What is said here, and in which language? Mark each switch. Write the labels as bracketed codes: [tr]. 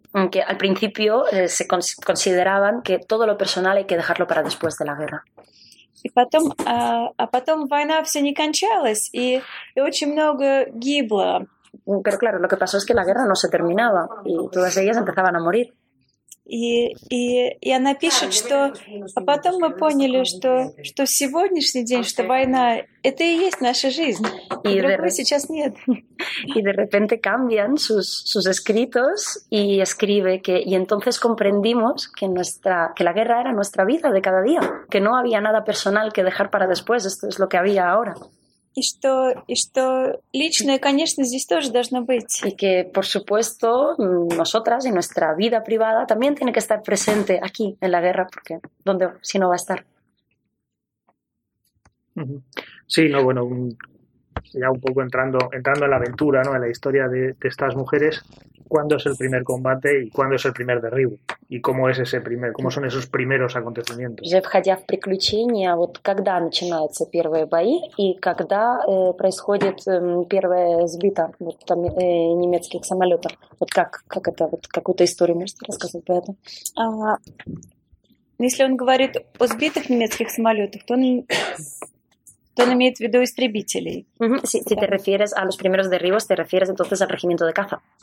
[es] que al principio se consideraban que todo lo personal hay que dejarlo para después de la guerra. [ru] И потом, а потом война все не кончалась, и очень много гибло. [es] Pero claro, lo que pasó es que la guerra no se terminaba y todas ellas empezaban a morir. [ru] Y она пишет, что... А потом мы поняли, что, что сегодняшний день, что война, это и есть наша жизнь. И другой сейчас нет. [es] Y de repente cambian sus escritos y escribe que... Y entonces comprendimos que la guerra era nuestra vida de cada día, que no había nada personal que dejar para después, esto es lo que había ahora. [ru] И что личное, конечно, здесь тоже должно быть. [es] И que, por supuesto, nosotras y nuestra vida privada también tiene que estar presente aquí, en la guerra, porque ¿dónde si no va a estar? Sí, no, bueno, ya un poco entrando en la aventura, ¿no? En la historia de estas mujeres, ¿cuándo es el primer combate y cuándo es el primer derribo? ¿Y cómo es ese primer, cómo son esos primeros acontecimientos? [ru] Уже входя в приключения, вот когда начинаются первые бои и когда происходит первая сбита вот там немецких самолетов. Вот как это, вот какую-то историю можете рассказать по этому? Если он говорит о сбитых немецких самолетах, то он... [es] Tú no me entiendes de истребителей. Si te refieres a los primeros derribos, te refieres entonces al regimiento de caza.